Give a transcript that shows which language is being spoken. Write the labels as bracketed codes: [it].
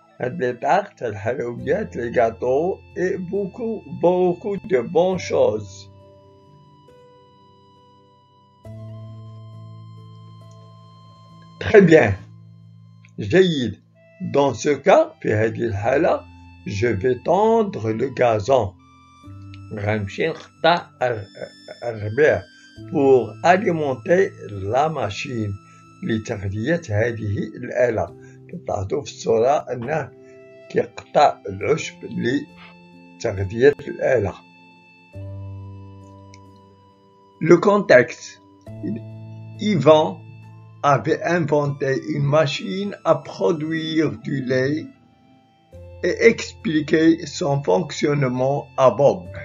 [fr] Les tartes, les halloumiettes, les gâteaux et beaucoup, beaucoup de bonnes choses. Très bien. [ar] جيد. [fr] Dans ce cas, [ar] في هذه الحالة, [fr] je vais tendre le gazon. [ar] غنمشي نقطع الربيع [fr] pour alimenter la machine [ar] لتغذية هذه الآلة. كتلاحظوا في الصورة أنه كيقطع العشب لتغذية الآلة. [fr] Le contexte. Yvan avait inventé une machine à produire du lait et expliqué son fonctionnement à Bob.